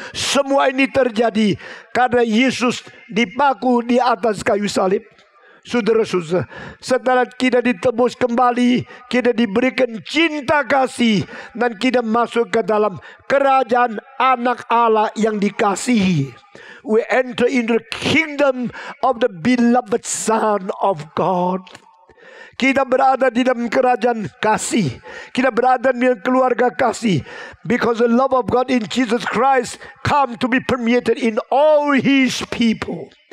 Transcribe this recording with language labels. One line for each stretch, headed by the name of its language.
Indonesian: Semua ini terjadi karena Yesus dipaku di atas kayu salib. Saudara-saudara, setelah kita ditebus kembali, kita diberikan cinta kasih dan kita masuk ke dalam kerajaan anak Allah yang dikasihi.
English: We enter into the kingdom of the beloved Son of God.
Indonesian: Kita berada di dalam kerajaan kasih. Kita berada di dalam keluarga kasih.
English: Because the love of God in Jesus Christ come to be permeated in all His people.